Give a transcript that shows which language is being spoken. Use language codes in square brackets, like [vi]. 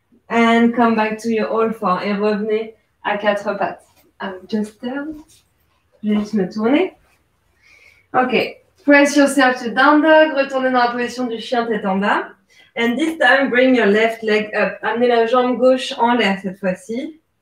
[en] And come back to your all four [fr] et revenez à quatre pattes. [en] I'm just down. [fr] Je vais juste me tourner. OK. [en] Press yourself to down dog. [fr] Retournez dans la position du chien tête en bas. [en] And this time, bring your left leg up. [fr] Amenez la jambe gauche en l'air cette fois-ci.